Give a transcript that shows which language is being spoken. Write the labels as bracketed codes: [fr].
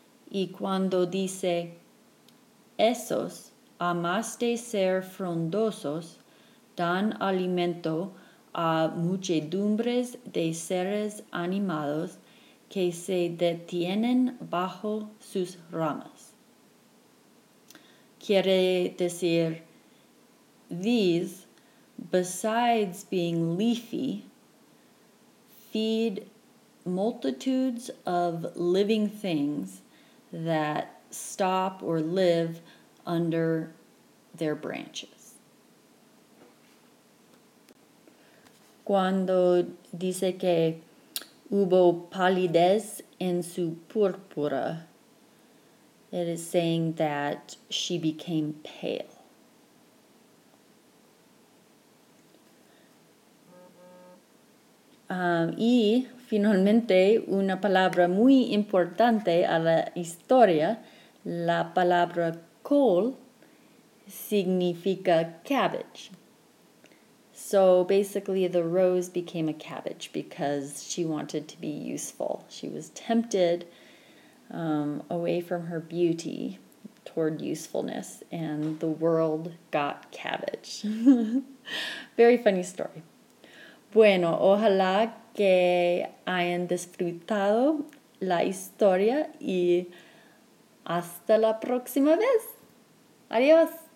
[es] Y cuando dice, esos, a más de ser frondosos, dan alimento a muchedumbres de seres animados que se detienen bajo sus ramas. Quiere decir, [en] these, besides being leafy, feed multitudes of living things that stop or live under their branches. [es] Cuando dice que hubo palidez en su púrpura, [en] it is saying that she became pale. [es] Y finalmente, una palabra muy importante a la historia, la palabra col significa cabbage. [en] So basically, the rose became a cabbage because she wanted to be useful. She was tempted away from her beauty toward usefulness, and the world got cabbage. Very funny story. [es] Bueno, ojalá que hayan disfrutado la historia y hasta la próxima vez. Adiós.